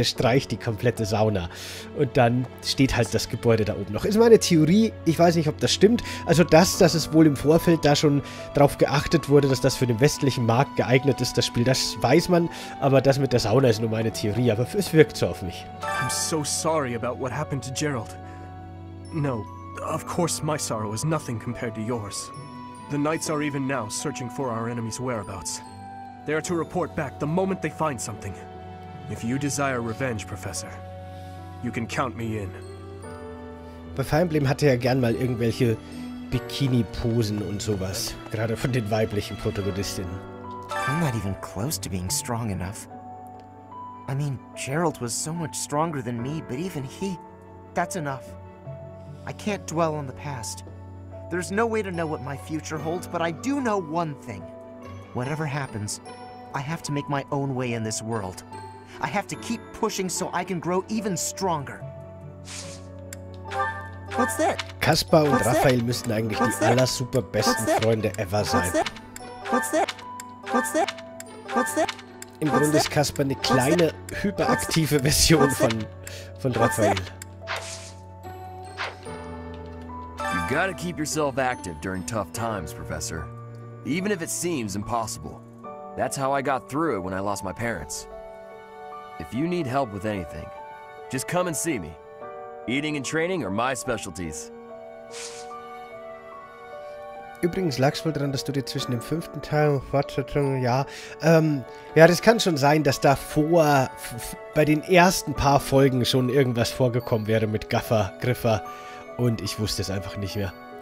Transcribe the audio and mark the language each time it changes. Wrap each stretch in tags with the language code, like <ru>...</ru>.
<de>Der streicht die komplette Sauna. Und dann steht halt das Gebäude da oben noch. Ist meine Theorie, ich weiß nicht, ob das stimmt. Also das, dass es wohl im Vorfeld da schon drauf geachtet wurde, dass das für den westlichen Markt geeignet ist, das Spiel, das weiß man. Aber das mit der Sauna ist nur meine Theorie. Aber es wirkt so auf mich.</de> <en>I'm so sorry about what happened to Gerald. No, of course my sorrow is nothing compared to yours. The knights are even now searching for our enemy's whereabouts. They are to report back the moment they find something. If you desire revenge, Professor, you can count me in.</en> <de>Bei Fire Emblem hatte er gern mal irgendwelche Bikini-Posen und sowas, gerade von den weiblichen Protagonistinnen.</de> <en>I'm not even close to being strong enough. I mean, Gerald was so much stronger than me, but even he, that's enough. I can't dwell on the past. There's no way to know what my future holds, but I do know one thing. Whatever happens, I have to make my own way in this world. I have to keep pushing so I can grow even stronger. What's that?</en> <de>Kaspar und Raphael müssten eigentlich die aller super besten Freunde ever sein.</de> <en>What's that?</en> <de>Im Grunde ist Kaspar eine kleine, hyperaktive Version von Raphael.</de> <en>You gotta keep yourself active during tough times, Professor. Even if it seems impossible. That's how I got through it when I lost my parents. If you need help with anything, just come and see me. Eating and training are my specialties.</en> <de>Übrigens lag es wohl daran, dass du dir zwischen dem fünften Teil und Fortsetzung, ja, das kann schon sein, dass da vor, bei den ersten paar Folgen schon irgendwas vorgekommen wäre mit Gaffer, Griffer, und ich wusste es einfach nicht mehr.</de>